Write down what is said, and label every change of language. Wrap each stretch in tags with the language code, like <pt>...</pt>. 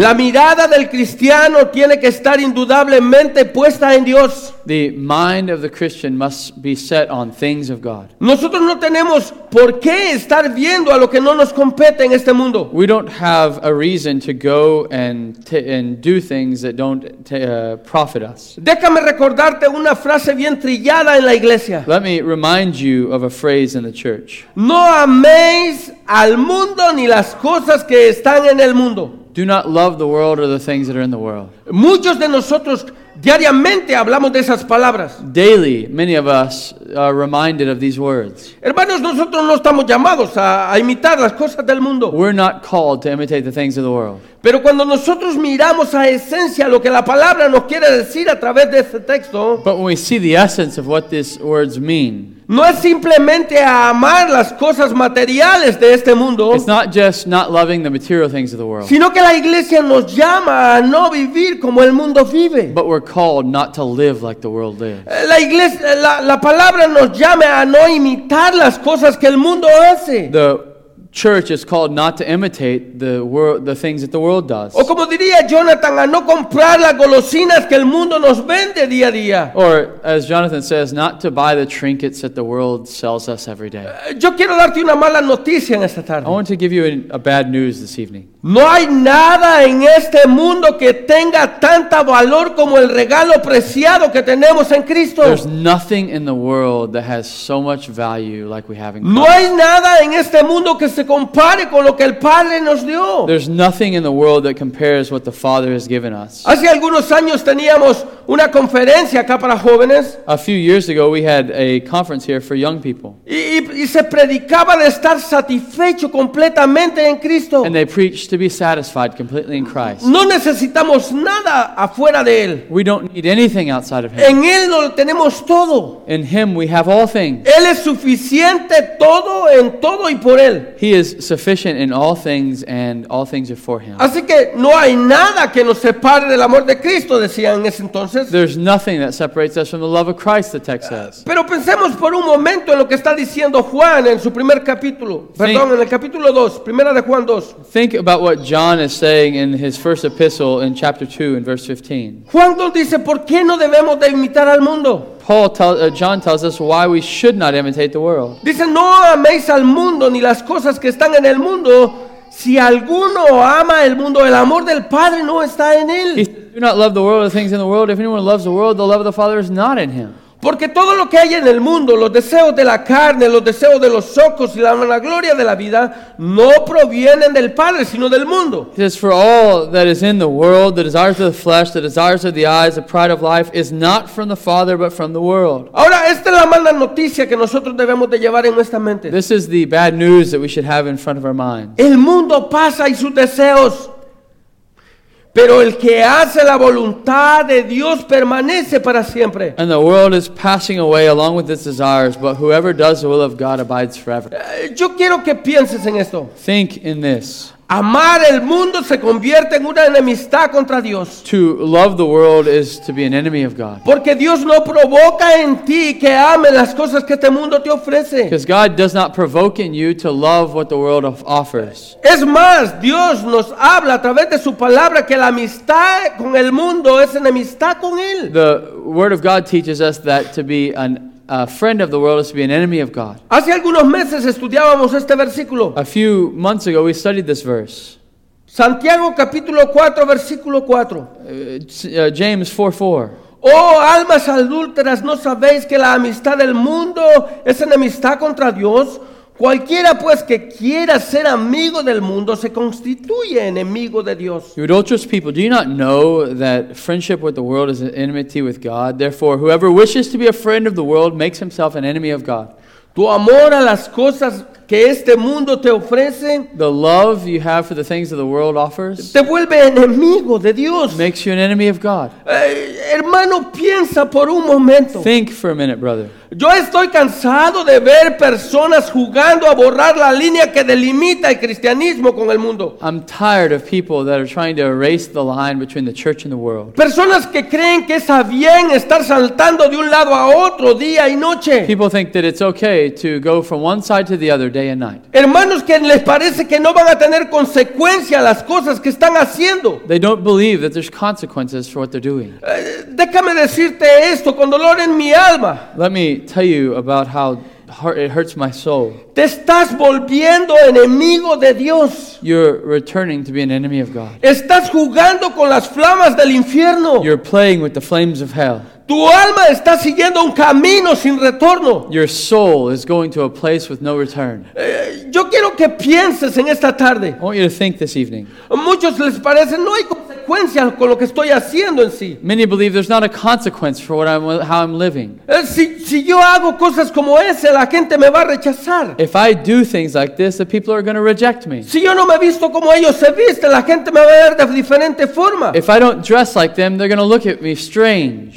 <es>La mirada del cristiano tiene que estar indudablemente puesta en Dios.</es> <en>The mind of the Christian must be set on things of God.</en> <es>Nosotros no tenemos por qué estar viendo a lo que no nos compete en este mundo.</es> <en>We don't have a reason to go and do things that don't profit us.</en> <es>Déjame recordarte una frase bien trillada en la iglesia.</es> <en>Let me remind you of a phrase in the church.</en> <es>No améis al mundo ni las cosas que están en el mundo.</es> <en>Do not love the world or the things that are in the world.</en> <es>Muchos de nosotros diariamente hablamos de esas palabras.</es> <en>Daily, many of us are reminded of these words.</en> <es>Hermanos, nosotros no estamos llamados a imitar las cosas del mundo.</es> <en>We're not called to imitate the things of the world.</en> <es>Pero cuando nosotros miramos a esencia lo que la palabra nos quiere decir a través de este texto.</es> <en>But when we see the essence of what these words mean.</en> <es>No es simplemente a amar las cosas materiales de este mundo.</es> <en>It's not just not loving the material things of the world.</en> <es>Sino que la iglesia nos llama a no vivir como el mundo vive.</es> <en>But we're called not to live like the world lives.</en> <es>La iglesia, la palabra nos llama a no imitar las cosas que el mundo hace.</es> <en>The church is called not to imitate the things that the world does.</en> <es>O como diría Jonathan, a no comprar las golosinas que el mundo nos vende día a día.</es> <en>Or as Jonathan says, not to buy the trinkets that the world sells us every day.</en> <es>Yo quiero darte una mala noticia en esta tarde.</es> <en>I want to give you a bad news this evening.</en> <es>No hay nada en este mundo que tenga tanta valor como el regalo preciado que tenemos en Cristo.</es> <en>There's nothing in the world that has so much value like we have in Christ.</en> <es>No hay nada en este mundo que se compare con lo que el Padre nos dio.</es> <en>There's nothing in the world that compares what the Father has given us.</en> <es>Hace algunos años teníamos una conferencia acá para jóvenes.</es> <en>A few years ago we had a conference here for young people.</en> <es>Y se predicaba de estar satisfecho completamente en Cristo.</es> <en>And they preached to be satisfied completely in Christ.</en> <es>No necesitamos nada afuera de Él.</es> <en>We don't need anything outside of Him.</en> <es>En Él lo tenemos todo.</es> <en>In Him we have all things.</en> <es>Él es suficiente todo en todo y por Él.</es> <en>He is sufficient in all things, and all things are for him.</en> <es>Así que no hay nada que nos separe del amor de Cristo, decían ese entonces.</es> <en>There's nothing that separates us from the love of Christ, the text says.</en> <es>Pero pensemos por un momento en lo que está diciendo Juan en su primer capítulo. En el capítulo 2, primera de Juan 2.</es> <en>Think about what John is saying in his first epistle in chapter 2 in verse 15.</en> <es>Juan dice, ¿por qué no debemos de imitar al mundo?</es> <en>John tells us why we should not imitate the world.</en> <es>Dice, no améis al mundo ni las cosas que están en el mundo. Si alguno ama el mundo, el amor del Padre no está en él.</es> <en>He says, do not love the world or the things in the world. If anyone loves the world, the love of the Father is not in him.</en> <es>Porque todo lo que hay en el mundo, los deseos de la carne, los deseos de los ojos y la vanagloria de la vida, no provienen del Padre, sino del mundo.</es> <en>He says, for all that is in the world, the desires of the flesh, the desires of the eyes, the pride of life, is not from the Father, but from the world.</en> <es>Ahora, esta es la mala noticia que nosotros debemos de llevar en nuestra mente.</es> <en>This is the bad news that we should have in front of our minds.</en> <es>El mundo pasa y sus deseos. Pero el que hace la voluntad de Dios permanece para siempre.</es> <en>And the world is passing away along with its desires, but whoever does the will of God abides forever.</en> <es>Yo quiero que pienses en esto.</es> <en>Think in this.</en> <es>Amar el mundo se convierte en una enemistad contra Dios.</es> <en>To love the world is to be an enemy of God.</en> <es>Porque Dios no provoca en ti que ames las cosas que este mundo te ofrece.</es> <en>Because God does not provoke in you to love what the world offers.</en> <es>Es más, Dios nos habla a través de su palabra que la amistad con el mundo es enemistad con él.</es> <en>The word of God teaches us that to be a friend of the world is to be an enemy of God.</en> <es>Hace algunos meses estudiábamos este versículo.</es> <en>A few months ago we studied this verse.</en> <es>Santiago capítulo 4 versículo 4.</es> <en>James 4:4.</en> <es>Oh, almas adúlteras, ¿no sabéis que la amistad del mundo es enemistad contra Dios? Cualquiera pues que quiera ser amigo del mundo se constituye enemigo de Dios.</es> <en>You adulterous people, do you not know that friendship with the world is an enmity with God? Therefore, whoever wishes to be a friend of the world makes himself an enemy of God.</en> <es>Tu amor a las cosas que este mundo te ofrece,</es> <en>the love you have for the things that the world offers,</en> <es>te vuelve enemigo de Dios.</es> <en>Makes you an enemy of God.</en> <es>Hermano, piensa por un momento.</es> <en>Think for a minute, brother.</en> <es>Yo estoy cansado de ver personas jugando a borrar la línea que delimita el cristianismo con el mundo.</es> <en>I'm tired of people that are trying to erase the line between the church and the world.</en> <es>Personas que creen que está bien estar saltando de un lado a otro día y noche.</es> <en>People think that it's okay to go from one side to the other day and night.</en> <es>Hermanos que les parece que no van a tener consecuencias las cosas que están haciendo.</es> <en>They don't believe that there's consequences for what they're doing.</en> <es>Déjame decirte esto con dolor en mi alma.</es> <en>Let me tell you about how it hurts my soul.</en> <es>Te estás volviendo enemigo de Dios.</es> <en>You're returning to be an enemy of God.</en> <es>Estás jugando con las flamas del infierno.</es> <en>You're playing with the flames of hell.</en> <es>Tu alma está siguiendo un camino sin retorno.</es> <en>Your soul is going to a place with no return.</en> <es>Yo quiero que pienses en esta tarde.</es> <en>I want you to think this evening.</en> <es>Muchos les parece no hay consecuencia con lo que estoy haciendo en sí.</es> <en>Many believe there's not a consequence for how I'm living.</en> <es>Si yo hago cosas como ese, la gente me va a rechazar.</es> <en>If I do things like this, the people are going to reject me.</en> <es>Si yo no me visto como ellos se visten, la gente me va a ver de diferente forma.</es> <en>If I don't dress like them, they're going to look at me strange.</en>